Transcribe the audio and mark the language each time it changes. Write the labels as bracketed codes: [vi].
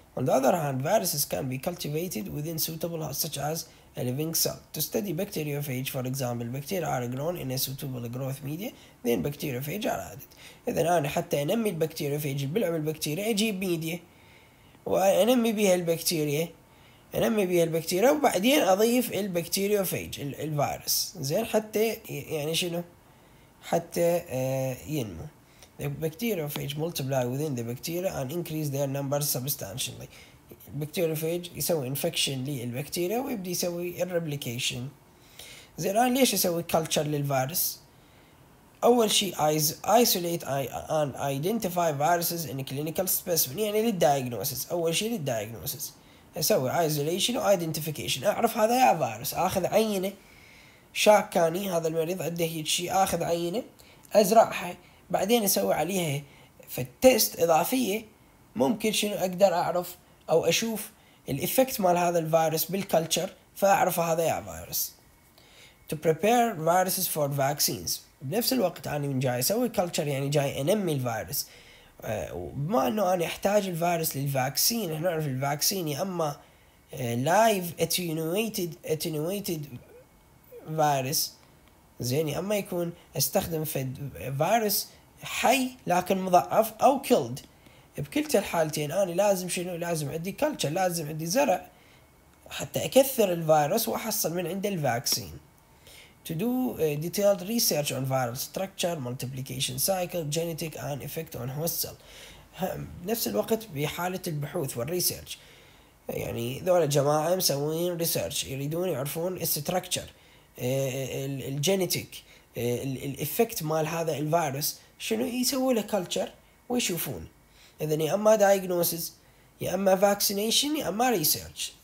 [en] On the other hand, viruses can be cultivated within suitable hosts such as a living cell. To study bacteriophage, for example, bacteria are grown in a suitable growth media, then bacteriophage are added. [ar] إذا أنا حتى أنمي البكتيريوفيج، بلعم البكتيريا، أجيب ميديا وأنمي بها البكتيريا، أنمي بها البكتيريا وبعدين أضيف البكتيريوفيج الفيروس. زين حتى يعني شنو؟ حتى ينمو. [en] The bacteriophage multiply within the bacteria and increase their number substantially. [ar] Bacteriophage يسوي infection للبكتيريا ويبدي يسوي replication. زين ليش يسوي culture للفيروس؟ أول شيء [en] isolate and identify viruses in clinical specimen، [ar] يعني للdiagnosis. أول شيء للdiagnosis يسوي isolation وidentification، أعرف هذا يا فيروس، أخذ عينة شاكاني هذا المريض عنده شيء، أخذ عينة أزرعها بعدين اسوي عليها في التست اضافيه، ممكن شنو اقدر اعرف او اشوف الايفكت مال هذا الفيروس بالكلتشر فاعرف هذا يا فيروس. [en] To prepare viruses for vaccines، [ar] بنفس الوقت انا من جاي اسوي كلتشر يعني جاي انمي الفيروس، وبما انه انا احتاج الفيروس للفاكسين، احنا نعرف الفاكسين يا اما لايف اتينويتد فيروس زين، يا اما يكون استخدم في فيروس حي لكن مضاعف او كيلد. بكلتا الحالتين انا لازم شنو؟ لازم عندي كلتشر، لازم عندي زرع حتى اكثر الفيروس واحصل من عنده الفاكسين. [en] To do detailed research on viral structure, multiplication cycle, genetic and effect on host cell. [ar] نفس الوقت بحالة البحوث والريسيرش، يعني ذول الجماعة مسوين ريسيرش يريدون يعرفون الستركتشر الجينيتيك الافكت مال هذا الفيروس شنو، يسووا له كلتشر ويشوفون اذا يا اما دايجنوسيس يا اما فاكسينيشن يا اما ريسيرش.